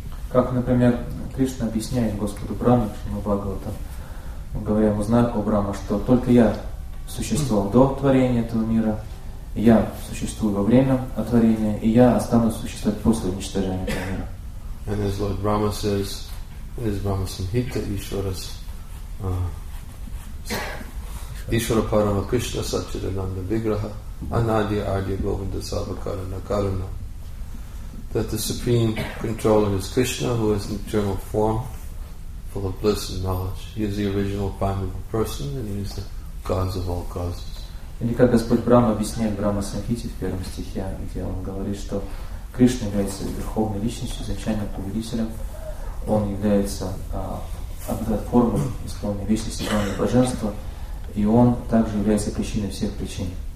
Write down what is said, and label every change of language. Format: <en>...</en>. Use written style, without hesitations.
<ru>Как, например, Кришна объясняет Господу Брахме, Шрима Бхагаватам, говоря ему знак о Брахме, что только я существовал до творения этого мира, я существую во время творения, и я останусь существовать после уничтожения этого мира.</ru> <en>And as Lord Brahma says, in his Brahma Samhita,</en> <sa>Ishwara's Ishwara Parama Krishna Satchitananda Vigraha Anadya Adya Govinda Savakarana Karana,</sa> <en>that the supreme controller is Krishna, who is an eternal form full of bliss and knowledge. He is the original primary person and he is the cause of all causes.</en> <ru>Или как Господь Брахма объясняет Брахма Самхите в первом стихе, где он говорит, что Кришна является верховной личностью, изначальным повелителем, он является формой исполненной вечности, главного блаженства, и он также является причиной всех причин.</ru>